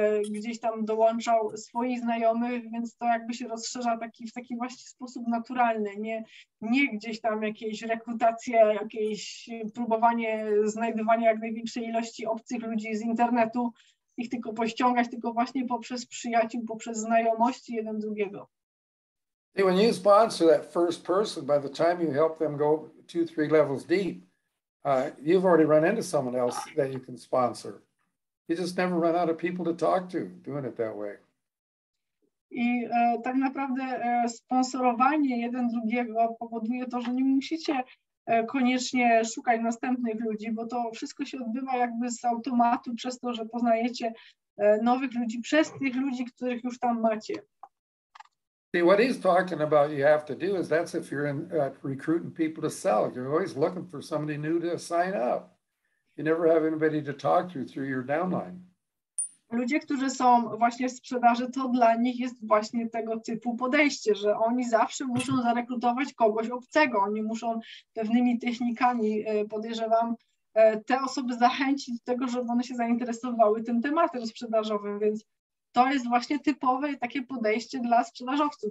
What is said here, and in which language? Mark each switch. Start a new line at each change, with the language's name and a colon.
Polish: gdzieś tam dołączał swoich znajomych, więc to jakby się rozszerza taki, w taki właśnie sposób naturalny, nie gdzieś tam jakieś rekrutacje, jakieś próbowanie znajdywania jak największej ilości obcych ludzi z internetu, ich tylko pościągać, tylko właśnie poprzez przyjaciół, poprzez znajomości jeden drugiego.
English: Hey, when you sponsor that first person, by the time you help them go 2-3 levels deep, you've already run into someone else that you can sponsor. You just never run out of people to talk to doing it that way.
Polish: I tak naprawdę sponsorowanie jeden drugiego powoduje to, że nie musicie koniecznie szukać następnych ludzi, bo to wszystko się odbywa jakby z automatu przez to, że poznajecie nowych ludzi przez tych ludzi, których już tam macie.
English: See, what he's talking about you have to do is that's if you're in recruiting people to sell. You're always looking for somebody new to sign up. You never have anybody to talk to through your downline.
Polish: Ludzie, którzy są właśnie w sprzedaży, to dla nich jest właśnie tego typu podejście, że oni zawsze muszą zarekrutować kogoś obcego. Oni muszą pewnymi technikami, podejrzewam, te osoby zachęcić do tego, żeby one się zainteresowały tym tematem sprzedażowym, więc to jest właśnie typowe takie podejście dla sprzedażowców.